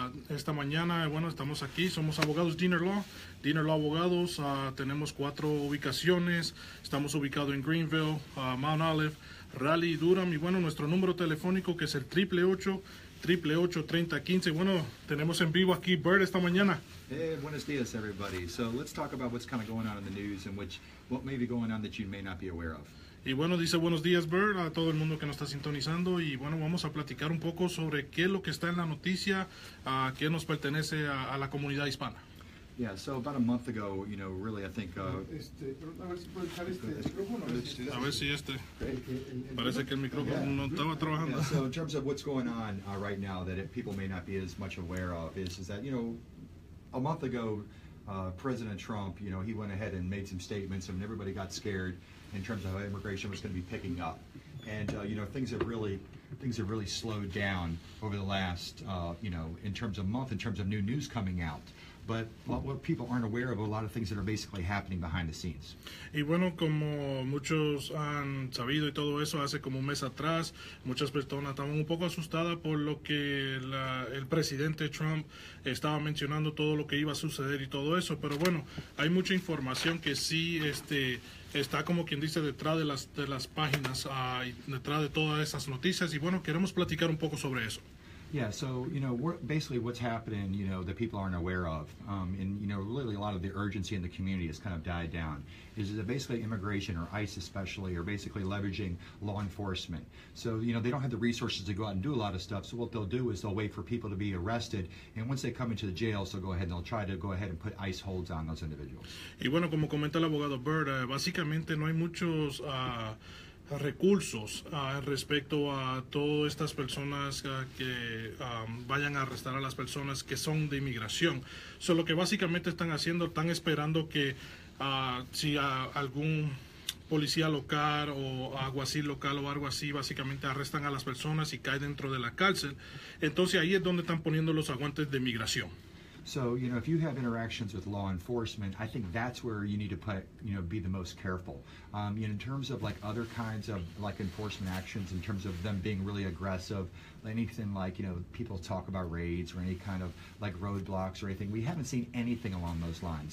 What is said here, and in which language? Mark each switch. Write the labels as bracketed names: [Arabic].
[Spanish] Esta mañana, bueno, estamos aquí, somos abogados Dinner Law Abogados. Tenemos 4 ubicaciones, estamos ubicados en Greenville, Mount Olive, Raleigh, Durham. Y bueno, nuestro número telefónico que es el 888 888-3015. Bueno, tenemos en vivo aquí Bird esta mañana. [English] Hey, [Spanish] buenos días, [English] everybody. So let's talk about what's kind of going on in the news and what may be going on that you may not be aware of. [Spanish] Y bueno, dice buenos días, Bird, a todo el mundo que nos está sintonizando. Y bueno, vamos a platicar un poco sobre qué es lo que está en la noticia, qué nos pertenece a la comunidad hispana. [English] Yeah, so about a month ago, you know, really, I think... So in terms of what's going on right now that people may not be as much aware of is that, you know, a month ago, President Trump, you know, he went ahead and made some statements and everybody got scared in terms of how immigration was going to be picking up. And, you know, things have really slowed down over the last, you know, in terms of month, in terms of new news coming out. But what people aren't aware of, a lot of things that are basically happening behind the scenes. [Spanish] Y bueno, como muchos han sabido y todo eso, hace como un mes atrás, muchas personas estaban un poco asustadas por lo que el presidente Trump estaba mencionando, todo lo que iba a suceder y todo eso. Pero bueno, hay mucha información que sí está como quien dice detrás de las páginas, detrás de todas esas noticias. Y bueno, queremos platicar un poco sobre eso. [English] Yeah, so, you know, basically what's happening, you know, that people aren't aware of, and, you know, really a lot of the urgency in the community has kind of died down, is that basically immigration or ICE especially are basically leveraging law enforcement. So, you know, they don't have the resources to go out and do a lot of stuff, so what they'll do is they'll wait for people to be arrested, and once they come into the jail, they'll go ahead and they'll try to go ahead and put ICE holds on those individuals. [Spanish] Y bueno, como comenta el abogado Bird, básicamente no hay muchos... recursos respecto a todas estas personas que vayan a arrestar a las personas que son de inmigración. So, lo que básicamente están haciendo, están esperando que algún policía local o alguacil local o algo así, básicamente arrestan a las personas y caen dentro de la cárcel. Entonces ahí es donde están poniendo los aguantes de inmigración. [English] So, you know, if you have interactions with law enforcement, I think that's where you need to put, you know, be the most careful. You know, in terms of like other kinds of like enforcement actions, in terms of them being really aggressive, anything like, you know, people talk about raids or any kind of like roadblocks or anything, we haven't seen anything along those lines.